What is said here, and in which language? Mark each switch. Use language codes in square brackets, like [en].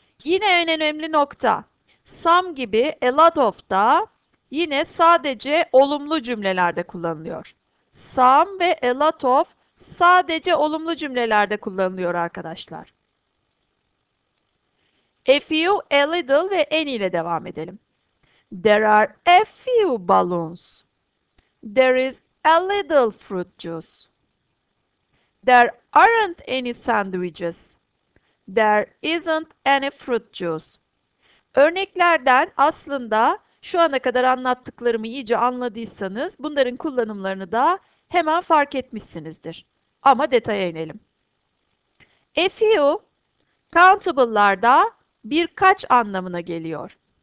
[tr] Yine en önemli nokta. Some gibi a lot of'da yine sadece olumlu cümlelerde kullanılıyor. Some ve a lot of sadece olumlu cümlelerde kullanılıyor arkadaşlar. A few, a little ve any ile devam edelim. [en] There are a few balloons. There is a little fruit juice. There aren't any sandwiches. There isn't any fruit juice. [tr] Örneklerden aslında şu ana kadar anlattıklarımı iyice anladıysanız bunların kullanımlarını da hemen fark etmişsinizdir. Ama detaya inelim. A few, countable'larda birkaç anlamına geliyor.